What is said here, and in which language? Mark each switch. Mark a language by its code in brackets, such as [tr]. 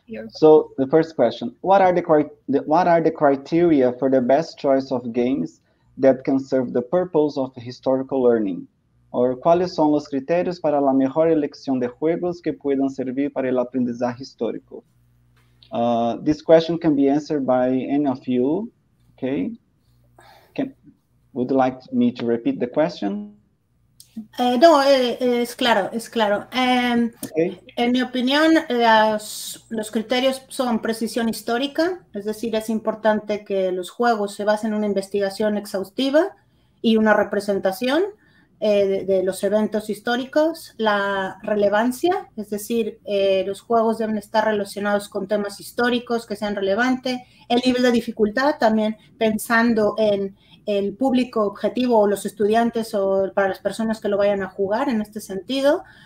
[en] So the first question: What are the criteria for the best choice of games that can serve the purpose of historical learning? [es] Or quais são os critérios para a melhor eleição de jogos que puedan servir para el aprendizaje histórico? [en] This question can be answered by any of you. Okay. Would you like me to repeat the question? [es] No, es claro. En mi opinión, los criterios son precisión histórica, es decir, es importante que los juegos se basen en una investigación exhaustiva y una representación de los eventos históricos, la relevancia, es decir, los juegos deben estar relacionados con temas históricos que sean relevantes, el nivel de dificultad, también pensando en el público objetivo o los estudiantes o para las personas que lo vayan a jugar en este sentido,